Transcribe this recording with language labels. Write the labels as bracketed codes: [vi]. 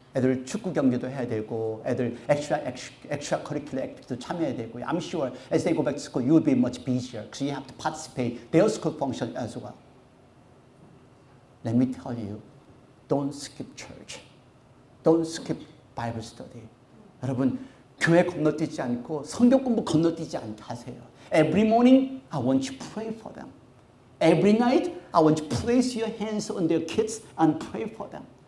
[ko] 애들 축구 경기도 해야 되고 애들 extra curricular activity도 참여해야 되고 [en] I'm sure as they go back to school you'll be much busier because you have to participate their school function as well. Let me tell you, don't skip church. Don't skip Bible study. [ko] 여러분, 교회 건너뛰지 않고 성경 공부 건너뛰지 않게 하세요. [en] Every morning I want you to pray for them. Every night, I want to place your hands on their kids and pray for them.